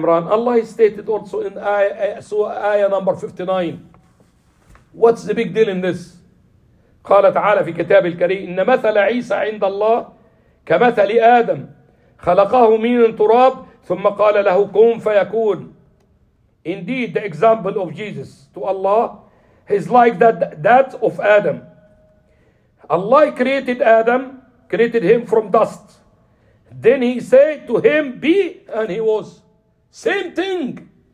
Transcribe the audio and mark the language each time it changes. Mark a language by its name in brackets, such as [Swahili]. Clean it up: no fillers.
[English] Allah stated also in ayah number 59. What's the big deal in this? [Arabic] قال تعالى في كتاب الكريم إن مثل عيسى عند الله كمثل آدم خلقه من تراب ثم قال له كن فيكون. [English] Indeed, the example of Jesus to Allah is like that of Adam. Allah created Adam, created him from dust. Then he said to him, be, and he was. Same thing.